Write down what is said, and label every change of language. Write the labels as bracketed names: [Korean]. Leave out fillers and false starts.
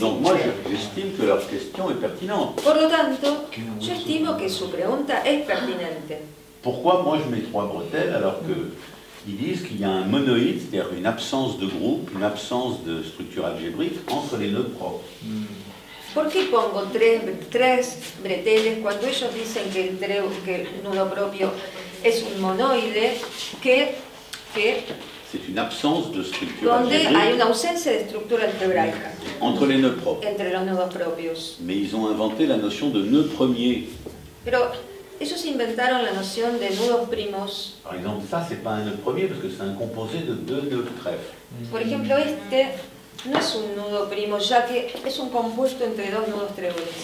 [French] Donc moi j'estime que leur question est pertinente. [Spanish] Por lo tanto, yo estimo que su pregunta es pertinente. [French] Pourquoi moi je mets trois bretelles alors que ils disent qu'il y a un monoïde, c'est-à-dire une absence de groupe, une absence de structure algébrique entre les nœuds propres. [Spanish] ¿Por qué pongo tres bretelles cuando ellos dicen que el nudo propio es un monoide que [French] c'est une absence de structure [Spanish] donde hay una ausencia de estructura algebraica [French] entre les nœuds propres? [Spanish] Entre los nudos propios. [French] Mais ils ont inventé la notion de nœud premier. [Spanish] Pero ellos inventaron la noción de nudos primos. [French] Par exemple, ça c'est pas un nœud premier parce que c'est un composé de deux nœuds trèfles. [Spanish] Por ejemplo, este no es un nudo primo, ya que es un compuesto entre dos nudos tréboles.